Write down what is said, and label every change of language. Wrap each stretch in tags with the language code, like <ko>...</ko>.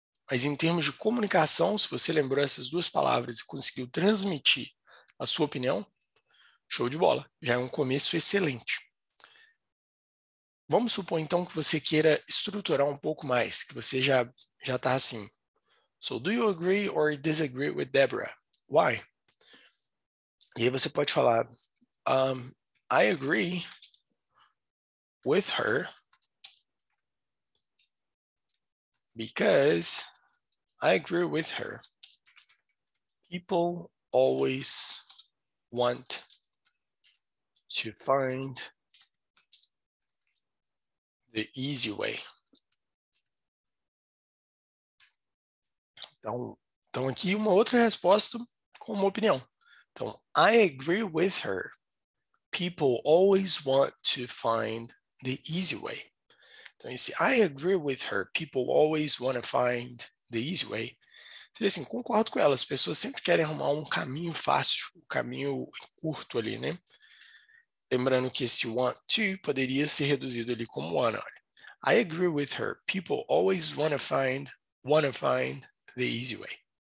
<pt>Mas em termos de comunicação, se você lembrou essas duas palavras e conseguiu transmitir a sua opinião, show de bola. Já é um começo excelente. Vamos supor, então, que você queira estruturar um pouco mais, que você já está assim.</pt> <en>So, do you agree or disagree with Deborah? Why?</en> <pt>E aí você pode falar...</pt> <en>I agree with her because I agree with her. People always want to find the easy way.</en> <pt>Então aqui uma outra resposta com uma opinião. Então,</pt> <en>I agree with her. People always want to find the easy way.</en> <pt>Então, esse</pt> <en>I agree with her. People always want to find the easy way.</en> <pt>Então, assim, concordo com ela. As pessoas sempre querem arrumar um caminho fácil, um caminho curto ali, né? Lembrando que esse want to poderia ser reduzido ali como wanna.</pt> <en>I agree with her. People always want to find the easy way.</en>